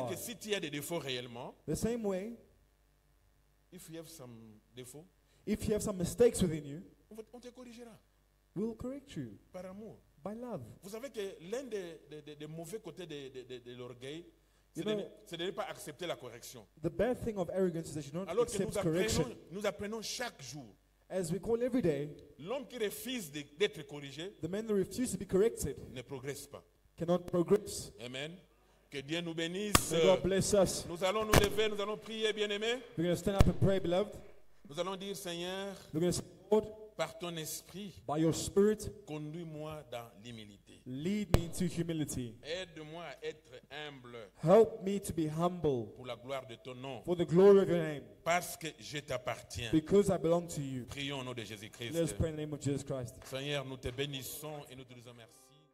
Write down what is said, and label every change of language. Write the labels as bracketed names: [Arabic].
[French] De manière que si tu as des défauts réellement. [English] The same way. If you have some défauts. If you have some mistakes within you. [French] On te corrigera. [English] We'll correct you. [French] Par amour. [English] By love. [French] Vous savez que l'un des mauvais côtés de l'orgueil. C'est de ne pas accepter la correction. [English] The bad thing of arrogance is that you don't accept correction. [French] Alors que nous apprenons chaque jour. [English] As we call every day, [French] l'homme qui refuse d'être corrigé, [English] the man that refuses to be corrected, [French] ne progresse pas. [English] Cannot progress. [French] Amen. Que Dieu nous bénisse. [English] God bless us. [French] Nous allons nous lever, nous allons prier, bien-aimés. [English] We're going to stand up and pray, beloved. [French] Nous allons dire, Seigneur, [English] we're going to say, Lord, [French] par ton esprit, [English] by your spirit, [French] conduis-moi dans l'humilité. [English] Lead me into humility. [French] Aide-moi à être humble. [English] Help me to be humble. [French] Pour la gloire de ton nom. [English] For the glory of your name. [French] Parce que je t'appartiens. [English] Because I belong to you. [French] Prions au nom de Jésus-Christ. [English] Let's pray in the name of Jesus Christ. [French] Seigneur, nous te bénissons et nous te remercions.